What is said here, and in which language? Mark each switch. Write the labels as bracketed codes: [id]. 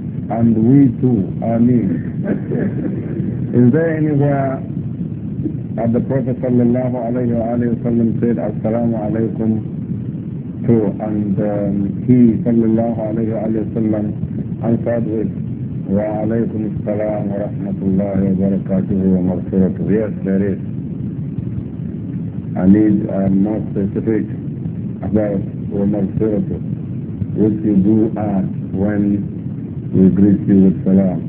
[en] And we too, ameen. Is there anywhere that the Prophet sallallahu alayhi wa sallam said, assalamu alaykum to, and he sallallahu alayhi wa sallam answered with [ar] وعليكم السلام ورحمة الله وبركاته ومغفرته. [en] Yes, there is. I need a more specific about ومغفرته. What you do ask when we greet you with salam.